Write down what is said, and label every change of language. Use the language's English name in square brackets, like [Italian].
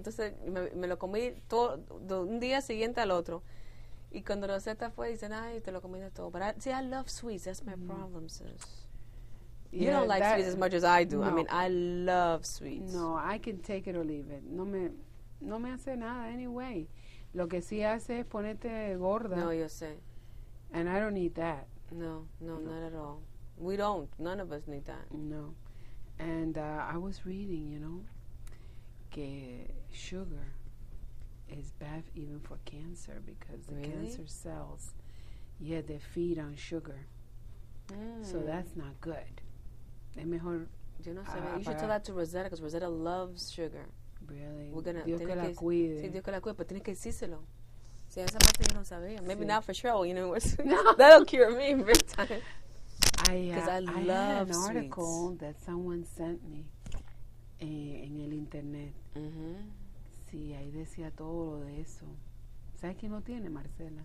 [Spanish] Entonces me lo comí todo un día siguiente al otro. Y cuando Rosetta fue, dicen, ay, te lo comí de todo. [English] But I, see, I love sweets. That's my problem, sis. You yeah, don't like sweets as much as I do. No. I mean, I love sweets. No, I can take it or leave it. No me hace nada anyway. [Spanish] Lo que sí hace es ponerte gorda. No, yo sé. [English] And I don't need that. No, not at all. We don't. None of us need that. No. And I was reading, you know, que sugar is bad even for cancer because the really? Cancer cells, yeah, they feed on sugar. Mm. So that's not good. Mejor, [Spanish] yo no sabía. [English] You should tell that to Rosetta because Rosetta loves sugar. Really? We're gonna, [Spanish] Dios que la cuide. Sí, Dios que la cuide, pero tienes que decírselo. Sí, esa parte yo no sabía. Maybe sí. [English] Not for sure, you know. No. That'll cure me every time. Because I love had an sweets. Article that someone sent me en el internet. [Spanish] Sí, ahí decía todo lo de eso. ¿Sabes quién no tiene, Marcela?